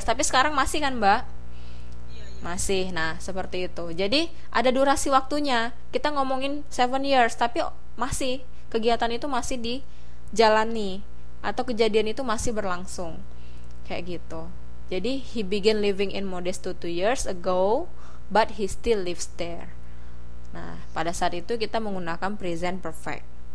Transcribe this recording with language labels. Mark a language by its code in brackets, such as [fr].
[id] Tapi sekarang masih kan Mbak? Iya. Masih. Nah seperti itu. Jadi ada durasi waktunya. Kita ngomongin 7 years, tapi masih kegiatan itu masih dijalani. atau kejadian itu masih berlangsung. Kayak gitu. [en] Jadi he began living in Modesto 2 years ago, but he still lives there. [id] Nah, pada saat itu kita menggunakan present perfect.